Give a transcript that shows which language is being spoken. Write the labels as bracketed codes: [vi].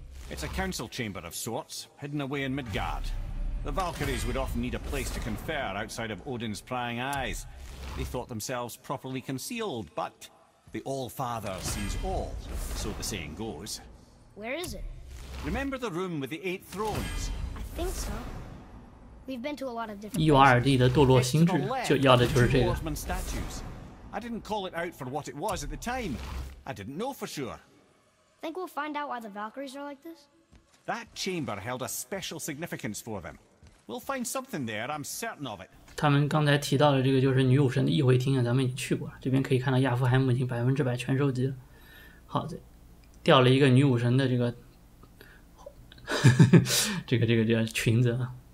[en] It's a council chamber of sorts, hidden away in Midgard. The Valkyries would often need a place to confer outside of Odin's prying eyes. They thought themselves properly concealed, but the Allfather sees all, so the saying goes. Where is it? Remember the room with the eight thrones? I think so. [zh] URD 的堕落心智就要的就是这个。 [en] I didn't call it out for what it was at the time. I didn't know for sure. Think we'll find out why the Valkyries are like this? That chamber held a special significance for them. We'll find something there. I'm certain of it. [zh] 他们刚才提到的这个就是女武神的议会厅啊，咱们已经去过了。这边可以看到亚夫海姆已经100%全收集了。好的，掉了一个女武神的这个这个裙子啊。